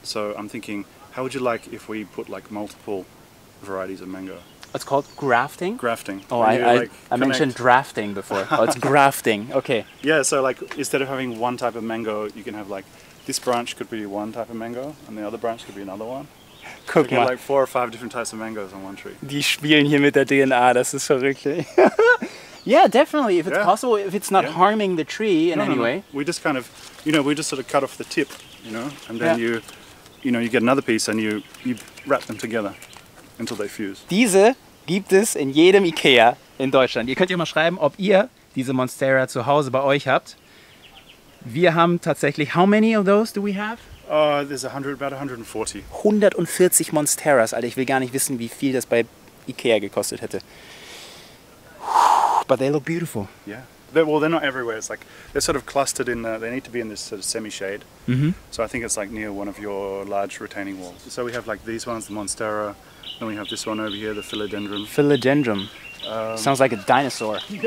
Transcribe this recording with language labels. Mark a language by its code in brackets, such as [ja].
[en] So I'm thinking, how would you like if we put like multiple varieties of mango? It's called grafting? Grafting. Oh, I mentioned drafting before. Oh, it's grafting. Okay. Yeah, so like instead of having one type of mango, you can have like this branch could be one type of mango, and the other branch could be another one. [de] Guck mal. [en] Like 4 or 5 different types of mangoes on one tree. [de] Die spielen hier mit der DNA, das ist verrückt. [en] Yeah, definitely, if it's possible, if it's not harming the tree in any way. We just kind of, you know, we just sort of cut off the tip, you know, and then you get another piece and you wrap them together until they fuse. [de] Diese gibt es in jedem IKEA in Deutschland. Ihr könnt ja mal schreiben, ob ihr diese Monstera zu Hause bei euch habt. Wir haben tatsächlich, [en] how many of those do we have? There's 100, about 140. [de] 140 Monsteras, Alter. Ich will gar nicht wissen, wie viel das bei Ikea gekostet hätte. [en] But they look beautiful. Yeah. They're not everywhere. It's like, they're sort of clustered in, they need to be in this sort of semi-shade. Mm-hmm. So I think it's like near one of your large retaining walls. So we have like these ones, the Monstera. Then we have this one over here, the Philodendron. Philodendron. Sounds like a dinosaur.